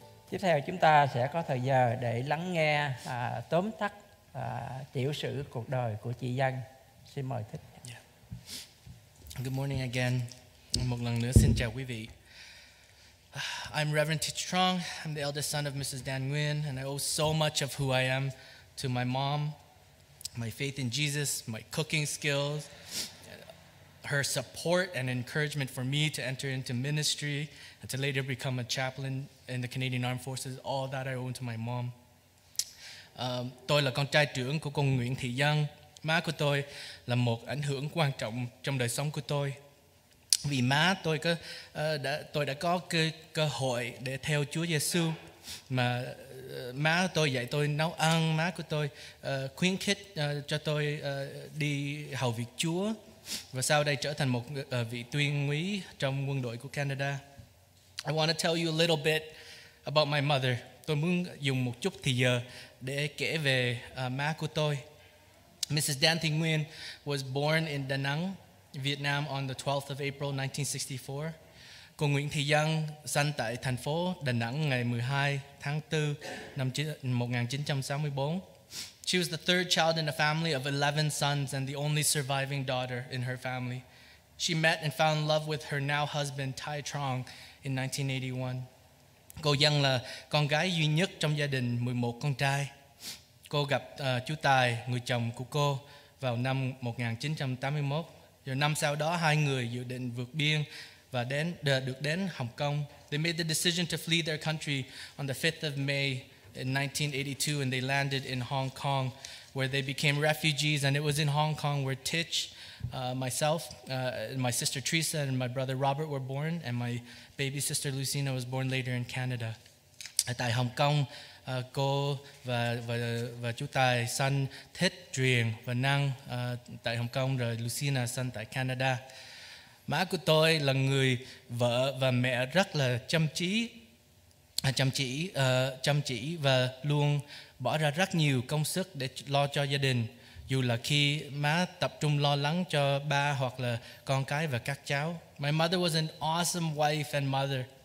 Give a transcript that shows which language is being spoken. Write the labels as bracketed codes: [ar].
[vi] Tiếp theo chúng ta sẽ có thời giờ để lắng nghe tóm tắt tiểu sử cuộc đời của chị Dân. Xin mời thích. [en] Yeah. Good morning again. [vi] Một lần nữa xin chào quý vị. [en] I'm Reverend Thich Trong. I'm the eldest son of Mrs. Dan Nguyen, and I owe so much of who I am to my mom, my faith in Jesus, my cooking skills, her support and encouragement for me to enter into ministry and to later become a chaplain in the Canadian Armed Forces, all that I owe to my mom. [vi] Tôi là con trai trưởng của cô Nguyễn Thị Dân. Má của tôi là một ảnh hưởng quan trọng trong đời sống của tôi. Vì má tôi đã có cơ hội để theo Chúa Giê-xu. Mà má tôi dạy tôi nấu ăn, má của tôi khuyến khích cho tôi đi hầu việc Chúa. Và sau đây trở thành một vị tuyên úy trong quân đội của Canada. [en] I want to tell you a little bit about my mother. [vi] Tôi muốn dùng một chút thời giờ để kể về má của tôi. Mrs. [en] Dan Thị Nguyên was born in Da Nang, Vietnam on the 12th of April 1964. [vi] Cô Nguyễn Thị Dân sinh tại thành phố Da Nang ngày 12 tháng 4 năm 1964. [en] She was the third child in a family of 11 sons and the only surviving daughter in her family. She met and found love with her now husband, Thich Trong, in 1981. [vi] Cô Dân là con gái duy nhất trong gia đình 11 con trai. Cô gặp chú Tài, người chồng của cô, vào năm 1981. Rồi năm sau đó, hai người dự định vượt biên và được đến Hồng Kông. [en] They made the decision to flee their country on the 5th of May in 1982, and they landed in Hong Kong, where they became refugees. And it was in Hong Kong where Thich, myself, my sister Teresa, and my brother Robert were born, and my baby sister Lucina was born later in Canada. [vi] Tại Hồng Kông, cô và chú Tài sinh Thích, Truyền và Năng tại Hồng Kông, rồi Lucina sinh tại Canada. Má của tôi là người vợ và mẹ rất là chăm chỉ và luôn bỏ ra rất nhiều công sức để lo cho gia đình. Dù là khi má tập trung lo lắng cho ba hoặc là con cái và các cháu. [en] My mother was an awesome wife and mother.